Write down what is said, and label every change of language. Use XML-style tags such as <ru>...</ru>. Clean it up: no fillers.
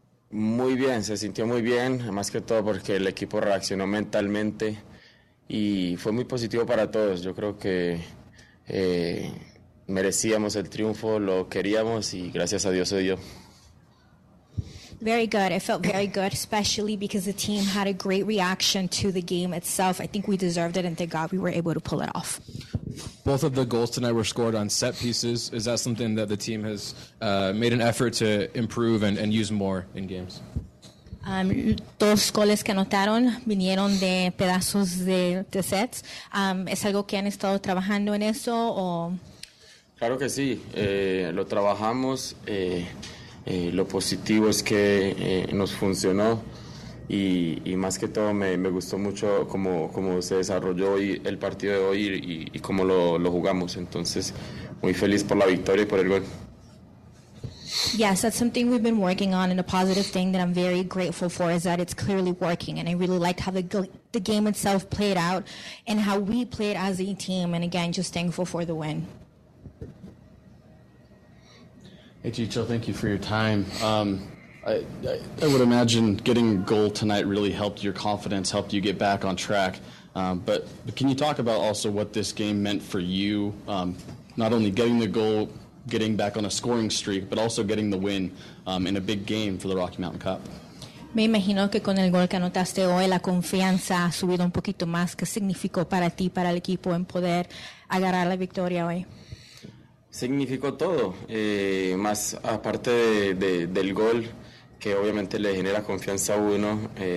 <es>Muy bien, se sintió muy bien, más que todo porque el equipo reaccionó mentalmente y fue muy positivo para todos. Yo creo que merecíamos el triunfo, lo queríamos y gracias a Dios se dio.</es> <en>Very good. It felt very good, especially because the team had a great reaction to the game itself. I think we deserved it, and thank God we were able to pull it off. Both of the goals tonight were scored on set pieces. Is that something that the team has made an effort to improve and use more in games?</en> <es>Dos goles que anotaron vinieron de pedazos de sets. ¿Es algo que han estado trabajando en eso o Claro que sí, lo trabajamos, lo positivo es que nos funcionó y más que todo me gustó mucho cómo se desarrolló hoy el partido de hoy y cómo lo jugamos. Entonces, muy feliz por la victoria y por el gol.</es> <en>Yes, that's something we've been working on, and a positive thing that I'm very grateful for is that it's clearly working, and I really liked how the game itself played out and how we played as a team, and again, just thankful for the win. Hey, Chicho, thank you for your time. I would imagine getting a goal tonight really helped your confidence, helped you get back on track. But can you talk about also what this game meant for you, not only getting the goal, getting back on a scoring streak, but also getting the win in a big game for the Rocky Mountain Cup?</en> <es>Me imagino que con el gol que anotaste hoy, la confianza ha subido un poquito más. ¿Qué significó para ti, para el equipo, en poder agarrar la victoria hoy? Significó todo, más aparte del gol, que obviamente le genera confianza a uno.</es>